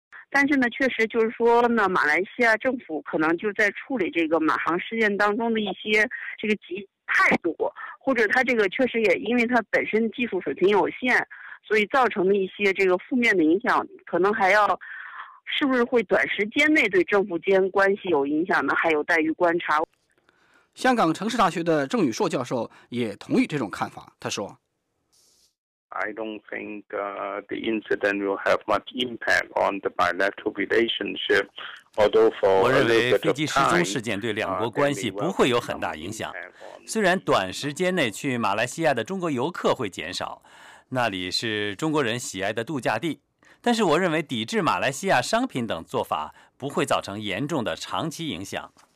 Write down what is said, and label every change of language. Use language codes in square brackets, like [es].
[zh] 但是呢，确实就是说呢，马来西亚政府可能就在处理这个马航事件当中的一些这个急态度，或者他这个确实也因为他本身技术水平有限，所以造成的一些这个负面的影响，可能还要是不是会短时间内对政府间关系有影响呢？还有待于观察。香港城市大学的郑宇硕教授也同意这种看法，他说。 [en] I don't think the incident will have much impact on the bilateral relationship. Although for a little bit of time, [zh] 我认为飞机失踪事件对两国关系不会有很大影响。虽然短时间内去马来西亚的中国游客会减少，那里是中国人喜爱的度假地，但是我认为抵制马来西亚商品等做法不会造成严重的长期影响。